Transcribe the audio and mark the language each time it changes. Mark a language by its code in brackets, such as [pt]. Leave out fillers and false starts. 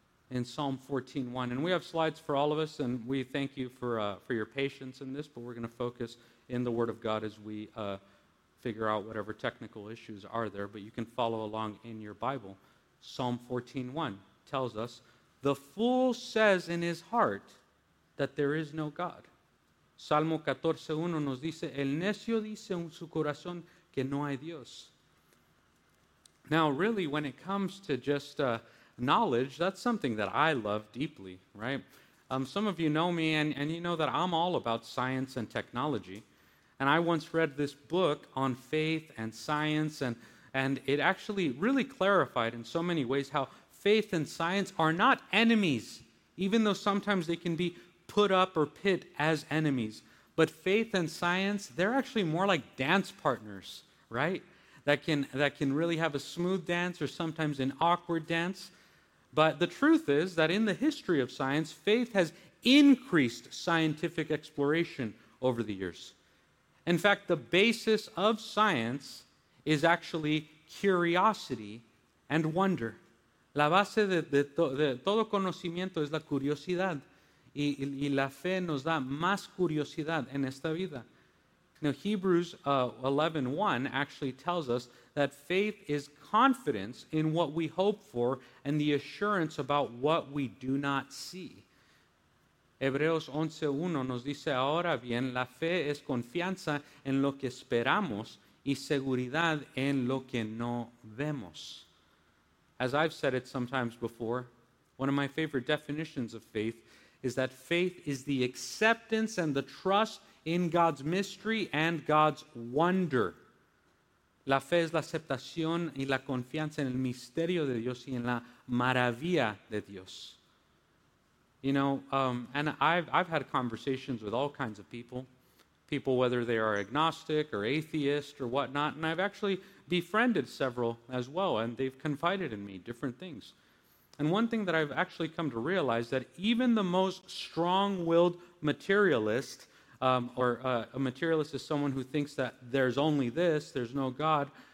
[en] In Psalm 14:1, and we have slides for all of us, and we thank you for your patience in this, but we're going to focus in the Word of God as we figure out whatever technical issues are there, but you can follow along in your Bible. Psalm 14:1 tells us, the fool says in his heart that there is no God. [es] Salmo 14:1 nos dice, el necio dice en su corazón que no hay Dios. [en] Now, really, when it comes to just knowledge, that's something that I love deeply, right? Some of you know me, and you know that I'm all about science and technology. And I once read this book on faith and science, and it actually really clarified in so many ways how faith and science are not enemies, even though sometimes they can be put up or pit as enemies. But faith and science, they're actually more like dance partners, right? That can really have a smooth dance or sometimes an awkward dance. But the truth is that in the history of science, faith has increased scientific exploration over the years. In fact, the basis of science is actually curiosity and wonder. [es] La base de todo conocimiento es la curiosidad. Y la fe nos da más curiosidad en esta vida. [en] Now, Hebrews 11:1 actually tells us that faith is confidence in what we hope for and the assurance about what we do not see. [es] Hebreos 11:1 nos dice, ahora bien, la fe es confianza en lo que esperamos y seguridad en lo que no vemos. [en] As I've said it sometimes before, one of my favorite definitions of faith is that faith is the acceptance and the trust in God's mystery and God's wonder. [es] La fe es la aceptación y la confianza en el misterio de Dios y en la maravilla de Dios. [en] You know, and I've had conversations with all kinds of people, whether they are agnostic or atheist or whatnot, and I've actually befriended several as well, and they've confided in me different things. And one thing that I've actually come to realize that even the most strong-willed materialist, a materialist is someone who thinks that there's only this, there's no God,